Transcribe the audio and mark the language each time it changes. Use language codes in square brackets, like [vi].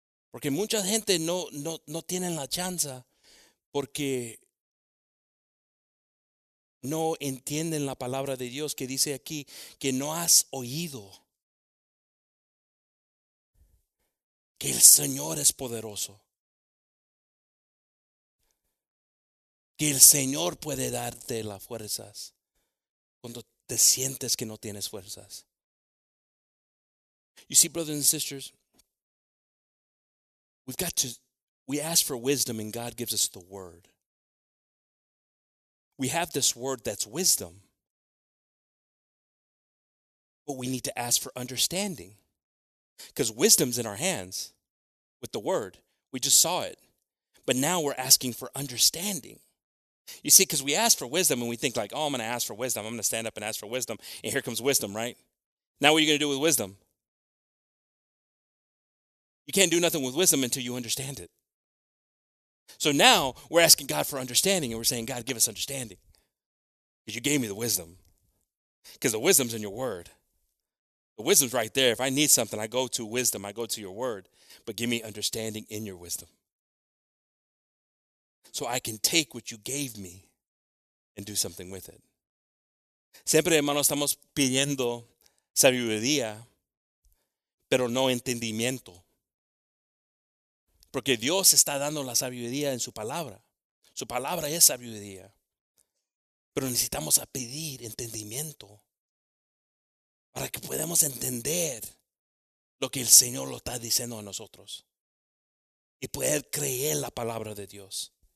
[es] Porque mucha gente no tienen la chance porque no entienden la palabra de Dios que dice aquí que no has oído que el Señor es poderoso. Que el Señor puede darte las fuerzas cuando te sientes que no tienes fuerzas. [en] You see, brothers and sisters, we ask for wisdom and God gives us the word. We have this word that's wisdom. But we need to ask for understanding. Because wisdom's in our hands with the word. We just saw it. But now we're asking for understanding. You see, because we ask for wisdom and we think like, oh, I'm going to ask for wisdom. I'm going to stand up and ask for wisdom. And here comes wisdom, right? Now what are you going to do with wisdom? You can't do nothing with wisdom until you understand it. So now we're asking God for understanding and we're saying, God, give us understanding. Because you gave me the wisdom. Because the wisdom's in your word. The wisdom's right there. If I need something, I go to wisdom. I go to your word. But give me understanding in your wisdom. So I can take what you gave me and do something with it. [es] Siempre, hermanos, estamos pidiendo sabiduría, pero no entendimiento. Porque Dios está dando la sabiduría en su palabra. Su palabra es sabiduría. Pero necesitamos a pedir entendimiento para que podamos entender lo que el Señor lo está diciendo a nosotros y poder creer la palabra de Dios.